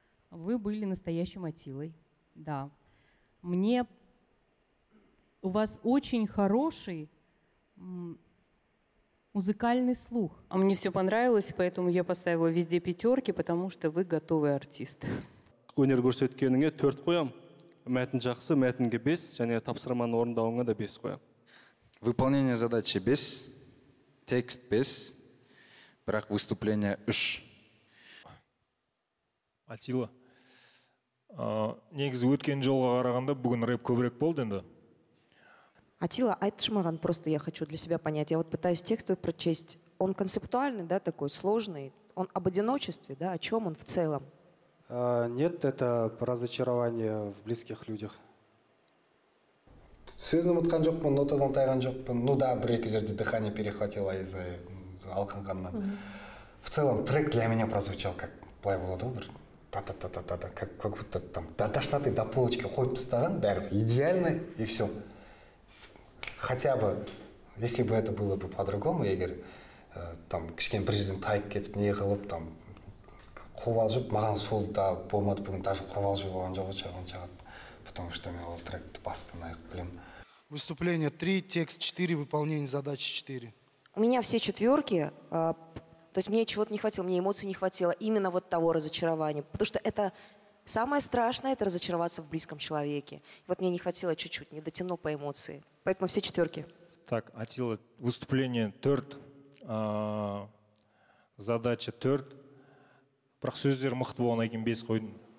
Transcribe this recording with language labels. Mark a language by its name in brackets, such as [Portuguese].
[Russian] Вы были настоящим Атилой, да. Мне у вас очень хороший музыкальный слух. А мне все понравилось, поэтому я поставила везде пятерки, потому что вы готовый артист. [Kazakh] Өнер көрсеткеніңе төрт қоям. Мәтін жақсы, мәтінге бес, және тапсырманы орындауыңа да бес қоям. [Russian] Выполнение задачи без, текст без, брак выступления үш. [Kazakh] Атила, негізі өткен жолға қарағанда бүгін рэп көбірек болды енді? [Russian] Атила, [Kazakh] айтшы маған, [Russian] просто я хочу для себя понять. Я вот пытаюсь текст прочесть. Он концептуальный, да, такой сложный? Он об одиночестве, да? О чем он в целом? Нет, это про разочарование в близких людях. [Kazakh] Сөзін ұмытқан жоқпын, нотадан тайған жоқпын. [Russian] Ну да, [Kazakh] бір-екі жерде [Russian] дыхание перехватило из-за алқынғаннан. В целом, трек для меня прозвучал как [Kazakh] былай болады ғой, [Russian] бір та-та-та-та-та-та, как будто там до тошноты, до полочки [Kazakh] қойып тастаған, бәрі [Russian] идеально и все. Хотя бы, если бы это было бы по-другому, [Kazakh] егер там кішкен бір жерден тайып кетіп, не қылып там қобалжып, маған сол да болмады бүгін, даже қобалжу болған жоқ шығын-шығын. [Russian] Потому что мне [Kazakh] ол тректі бастан айық білем. [Russian] Выступление 3, текст 4, выполнение задачи 4. У меня все четверки, то есть мне чего-то не хватило, мне эмоций не хватило, именно вот того разочарования. Потому что это самое страшное, это разочароваться в близком человеке. Вот мне не хватило чуть-чуть, не дотянул по эмоции. Поэтому все четверки. Так, Атила, выступление 4, задача 4. [Kazakh] Бірақ сөздер мықты болғаннан кейін 5 қойдым.